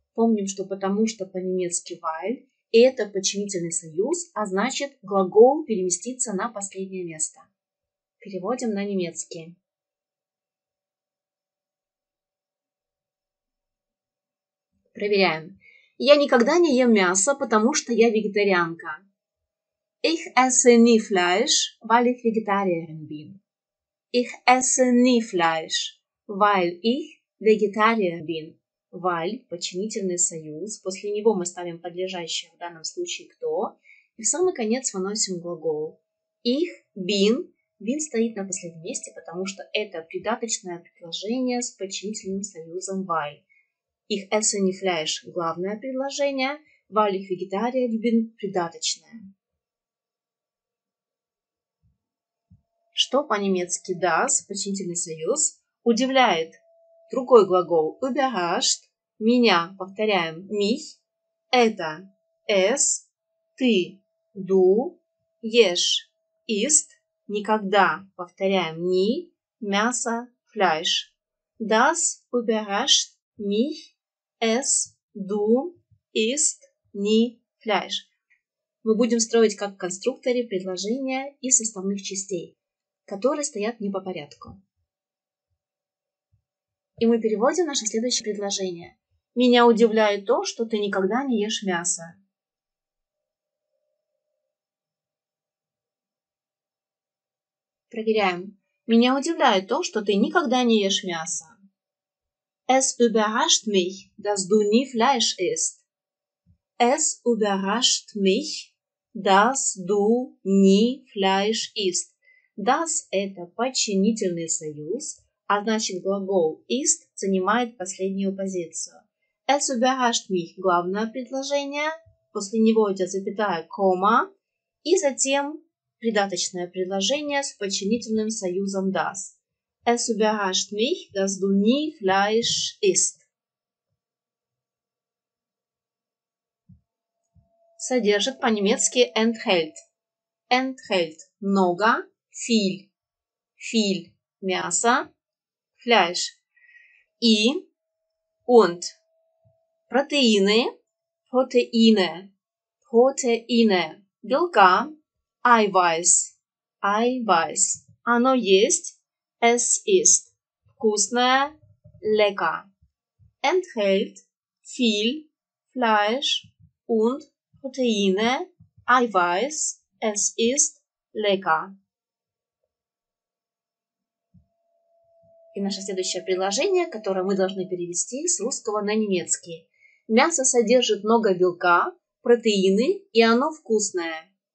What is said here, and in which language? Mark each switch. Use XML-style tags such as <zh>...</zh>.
<ru>Помним, что потому что по-немецки weil, и это подчинительный союз, а значит глагол переместится на последнее место. Переводим на немецкий. Проверяем. Я никогда не ем мясо, потому что я вегетарианка.</ru> <de>Ich esse nie Fleisch, weil ich Vegetarierin bin. Ich esse nie Fleisch, weil ich Vegetarier bin.</de> <ru>Weil – подчинительный союз. После него мы ставим подлежащее в данном случае «кто». И в самый конец выносим глагол.</ru> <de>Ich bin.</de> <ru>Bin стоит на последнем месте, потому что это придаточное предложение с подчинительным союзом weil.</ru> <de>Ich esse nie Fleisch –</de> <ru>главное предложение.</ru> <de>Weil ich Vegetarier bin –</de> <ru>придаточное. Что по-немецки das, подчинительный союз, удивляет? Другой глагол überrascht, меня, повторяем, mich, это, es, ты, du, ешь, ist, никогда, повторяем, nie, мясо, Fleisch.</ru> <de>Das überrascht mich, es, du, ist, nie, Fleisch.</de> <ru>Мы будем строить как в конструкторе предложения из составных частей, которые стоят не по порядку. И мы переводим наше следующее предложение. Меня удивляет то, что ты никогда не ешь мясо. Проверяем. Меня удивляет то, что ты никогда не ешь мясо.</ru> <de>Es überrascht mich, dass du nie Fleisch isst. Es überrascht mich, dass du nie Fleisch isst.</de> <ru>Das – это подчинительный союз, а значит глагол ist занимает последнюю позицию.</ru> <de>Es überrascht mich</de> <ru>– главное предложение, после него идет запятая comma, и затем придаточное предложение с подчинительным союзом das.</ru> <de>Es überrascht mich, dass du nie Fleisch isst.</de> <ru>Содержит по-немецки enthält. Enthält – много.</ru> <de>Viel – мясо, Fleisch, и, und, протеины, протеины, белка, Eiweiß,</de> <ru>оно есть,</ru> <de>es ist, вкусное, lecker, enthält, viel, Fleisch, und, протеины, Eiweiß, es ist, lecker.</de> <ru>И наше следующее предложение, которое мы должны перевести с русского на немецкий. Мясо содержит много белка, протеины, и оно вкусное.</ru>